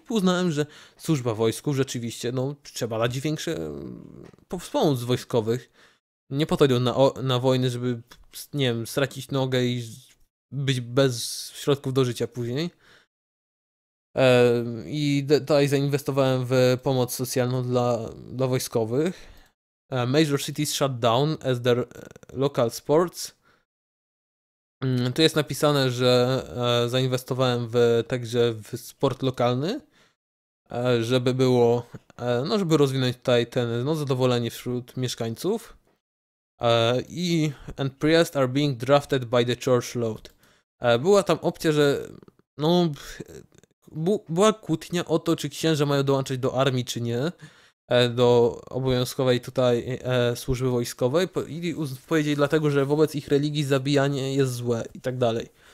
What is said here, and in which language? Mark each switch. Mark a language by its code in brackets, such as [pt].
[pl] No i uznałem, że służba w wojsku rzeczywiście, no, trzeba dać większe wspomóc wojskowych. Nie po to idą na wojny, żeby, nie wiem, stracić nogę i być bez środków do życia później. I tutaj zainwestowałem w pomoc socjalną dla wojskowych. [en] Major cities shut down as their local sports. [pl] Tu jest napisane, że zainwestowałem także w sport lokalny, żeby było, no, żeby rozwinąć tutaj ten, no, zadowolenie wśród mieszkańców. [en] And priests are being drafted by the church lord. [pl] Była tam opcja, że, no, była kłótnia o to, czy księża mają dołączać do armii, czy nie, do obowiązkowej tutaj służby wojskowej, i powiedzieli dlatego, że wobec ich religii zabijanie jest złe i tak dalej.